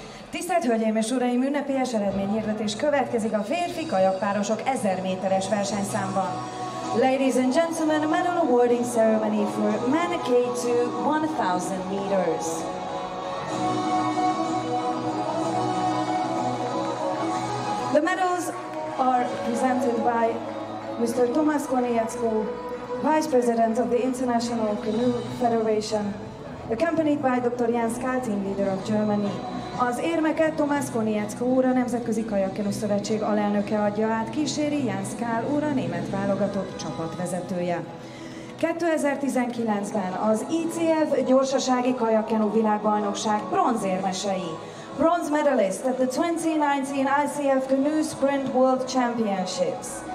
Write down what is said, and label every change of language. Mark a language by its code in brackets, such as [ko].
[hu] tisztelt Hölgyeim és Uraim, ünnepélyes eredményhirdetés következik a férfi kajakpárosok 1000 méteres versenyszámban. [en] Ladies and gentlemen, medal awarding ceremony for men K2 1000 meters. The medals are presented by Mr. Tomasz Koniecko, Vice President of the International Canoe Federation, accompanied by Dr. Jens Kaltin, leader of Germany. [hu] Az érmeket Tomasz Koniecko úr, a Nemzetközi Kajakkenu Szövetség alelnöke adja át, kíséri Jens Kál úr, a német válogatott csapatvezetője. 2019-ben az ICF gyorsasági kajakkenu világbajnokság bronzérmesei. [en] Bronze medalist at the 2019 ICF Canoe Sprint World Championships.